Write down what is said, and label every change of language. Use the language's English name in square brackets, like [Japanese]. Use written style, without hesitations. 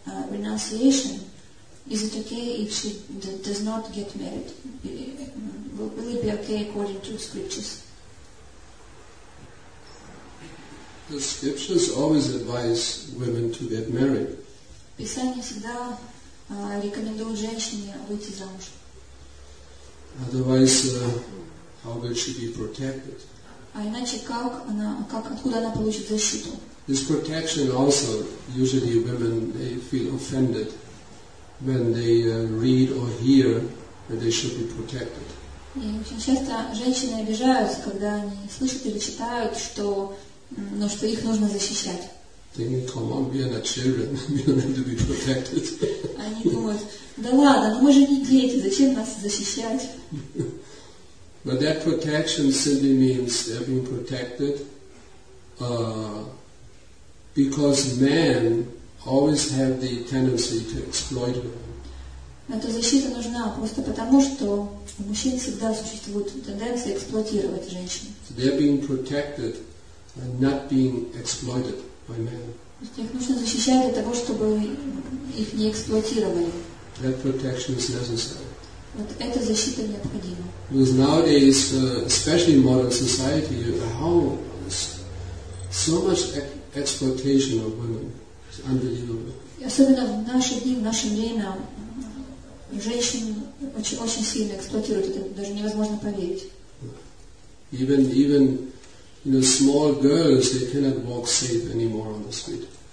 [English] Renunciation, is it okay if she does not get married? Will it be okay according to scriptures? The scriptures always advise women to get married. [Russian] Писание всегда рекомендует женщине выйти замуж. [English] Otherwise, how will she be protected? [Russian] А иначе как она, как откуда она получит защиту? [English] This protection also, usually women, they feel offended when they read or hear that they should be protected. [Russian] И очень часто женщины обижаются, когда они слышат или читают, что, ну, что их нужно защищать. [English] They think, come on, we are not children, we don't have to be protected. [Russian] Они думают, да ладно, но мы же не дети, зачем нас защищать? [English] But that protection simply means they're being protected because men always have the tendency to exploit women. [Russian] Эта защита нужна просто потому, что у мужчин всегда существует тенденция эксплуатировать женщин. [English] So they're being protected and not being exploited by men. [Russian] Их нужно защищать для того, чтобы их не эксплуатировали. [English] That protection is necessary. [Russian] Вот эта защита необходима. [English] Because nowadays, especially in modern society, how so much exploitation of women is unbelievable. [Russian] И особенно в наши дни, в наше время, женщин очень, очень сильно эксплуатируют. Это даже невозможно поверить. [English] Even you know, small girls, they cannot walk safe anymore on the street.